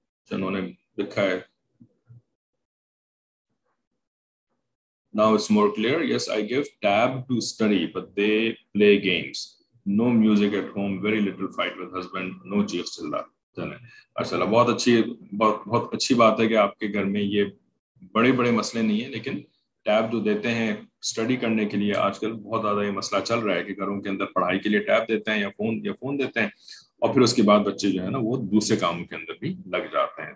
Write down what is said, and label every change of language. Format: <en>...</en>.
<ur>انہوں نے لکھا ہے</ur> <en>Now it's more clear. Yes, I give tab to study, but they play games. No music at home. Very little fight with husband. No cheek chilla.</en> <ur>چلیں اچھا, بہت اچھی بات ہے کہ آپ کے گھر میں یہ بڑے بڑے مسئلے نہیں ہیں, لیکن ٹیب جو دیتے ہیں اسٹڈی کرنے کے لیے آج کل بہت زیادہ یہ مسئلہ چل رہا ہے کہ گھروں کے اندر پڑھائی کے لیے ٹیب دیتے ہیں یا فون دیتے ہیں, اور پھر اس کے بعد بچے جو ہے نا وہ دوسرے کاموں کے اندر بھی لگ جاتے ہیں.</ur>